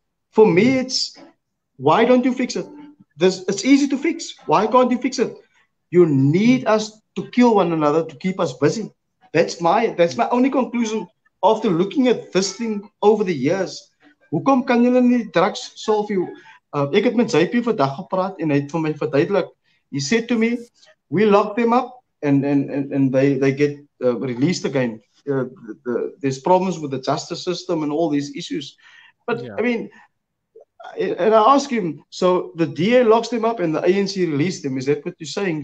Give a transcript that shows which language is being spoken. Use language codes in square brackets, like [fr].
[en] For me, it's, why don't you fix it? It's easy to fix. Why can't you fix it? You need us to kill one another to keep us busy. That's my only conclusion after looking at this thing over the years. [af] Hoekom kan julle nie drugs [en] solve you? [af] Ek het met JP vandag gepraat en hy het vir my verduidelik. [en] He said to me, we lock them up and they get released again. There's problems with the justice system and all these issues. But yeah. I mean, and I ask him, so the DA locks them up and the ANC released them. Is that what you're saying?